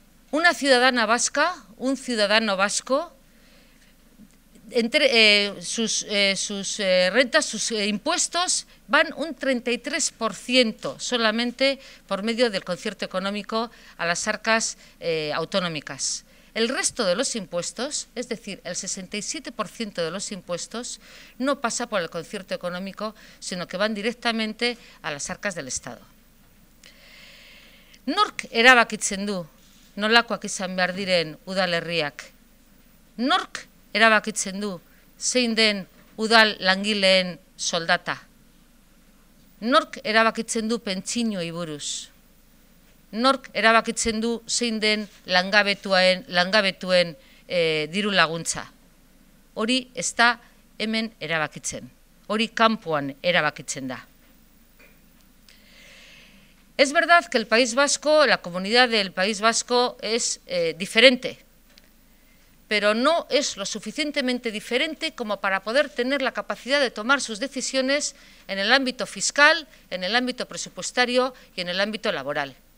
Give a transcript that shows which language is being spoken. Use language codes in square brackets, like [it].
[es] Una ciudadana vasca, un ciudadano vasco, entre rentas, sus impuestos, van un 33% solamente por medio del concierto económico a las arcas autonómicas. El resto de los impuestos, es decir, el 67% de los impuestos, no pasa por el concierto económico, sino que van directamente a las arcas del Estado. [eu] Nork erabakitzen du nolakoak izan behar diren udalerriak? Nork erabakitzen du zein den udal langileen soldata? Nork erabakitzen du pentsinioei buruz? Nork erabakitzen du zein den langabetuen diru laguntza? Hori ez da hemen erabakitzen. Hori kanpoan erabakitzen da. [es] Es verdad que el País Vasco, la comunidad del País Vasco, es diferente, pero no es lo suficientemente diferente como para poder tener la capacidad de tomar sus decisiones en el ámbito fiscal, en el ámbito presupuestario y en el ámbito laboral.